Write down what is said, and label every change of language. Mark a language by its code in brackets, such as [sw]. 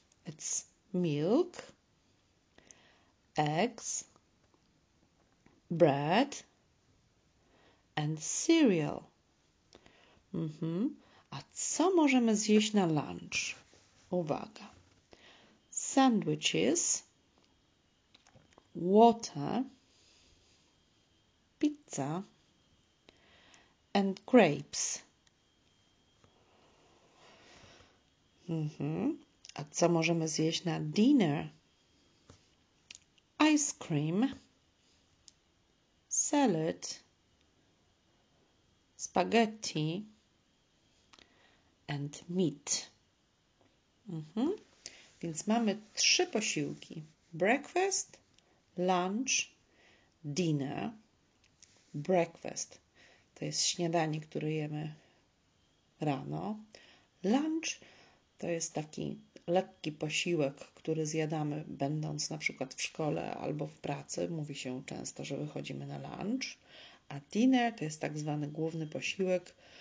[en] It's milk, eggs, bread and cereal. [pl] A co możemy zjeść na lunch? Uwaga. [en] Sandwiches, water, pizza and grapes. [pl] A co możemy zjeść na dinner? [en] Ice cream, salad, spaghetti and meat. [pl] Więc mamy trzy posiłki. [en] Breakfast, lunch, dinner. [pl] Breakfast to jest śniadanie, które jemy rano. Lunch to jest taki lekki posiłek, który zjadamy będąc na przykład w szkole albo w pracy. Mówi się często, że wychodzimy na lunch. A dinner to jest tak zwany główny posiłek.